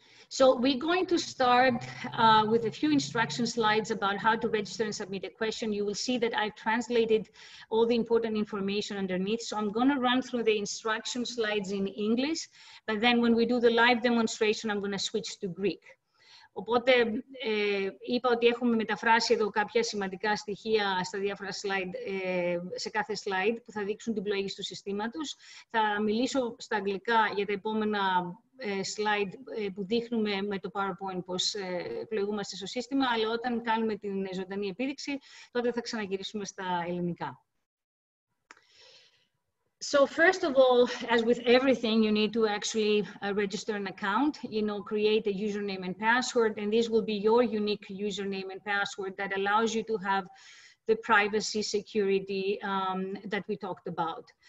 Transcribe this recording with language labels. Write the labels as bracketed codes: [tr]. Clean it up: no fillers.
[en] So we're going to start with a few instruction slides about how to register and submit a question. You will see that I've translated all the important information underneath. So I'm going to run through the instruction slides in English, but then when we do the live demonstration, I'm going to switch to Greek. [el] Οπότε είπα ότι έχουμε μεταφράσει εδώ κάποια σημαντικά στοιχεία στα διάφορα slide, σε κάθε slide που θα δείξουν την πλοήγηση του συστήματος. Θα μιλήσω στα αγγλικά για τα επόμενα slide που δείχνουμε με το PowerPoint πώς πλοηγούμαστε στο σύστημα, αλλά όταν κάνουμε την ζωντανή επίδειξη, τότε θα ξαναγυρίσουμε στα ελληνικά. [en] So first of all, as with everything, you need to actually register an account, you know, create a username and password, and this will be your unique username and password that allows you to have the privacy security that we talked about.